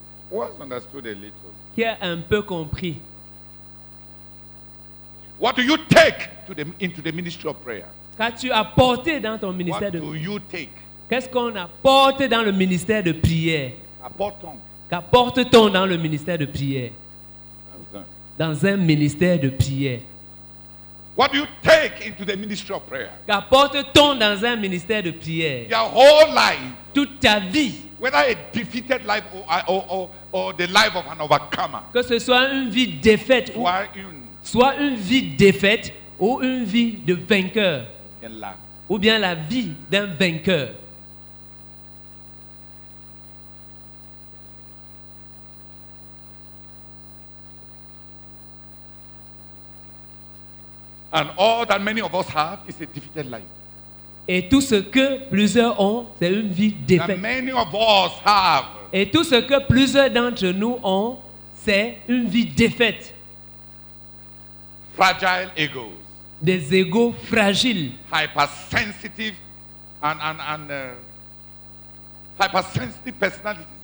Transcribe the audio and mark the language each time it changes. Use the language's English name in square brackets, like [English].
[English] Who has understood a little? [French] Qui a un peu compris? [English] What do you take into the ministry of prayer? [French] Qu'as-tu apporté dans ton ministère [English] What [French] de [English] do you take? [French] Qu'est-ce qu'on apporte dans le ministère de prière? Apportons. Qu'apporte-t-on dans le ministère de prière? Dans un ministère de prière. [English] What do you take into the ministry of prayer? [French] Qu'apporte-t-on dans un ministère de prière? [English] Your whole life. [French] Toute ta vie. [English] Whether a defeated life or the life of an overcomer. [French] Que ce soit une vie défaite ou soit une vie défaite. Ou une vie de vainqueur. Ou bien la vie d'un vainqueur. [English] And all that many of us have is a defeated life. [French] Et tout ce que plusieurs ont, c'est une vie défaite. [English] That many of us have. [French] Et tout ce que plusieurs d'entre nous ont, c'est une vie défaite. [English] Fragile egos. [French] Des égos fragiles. [English] Hypersensitive and hypersensitive personalities.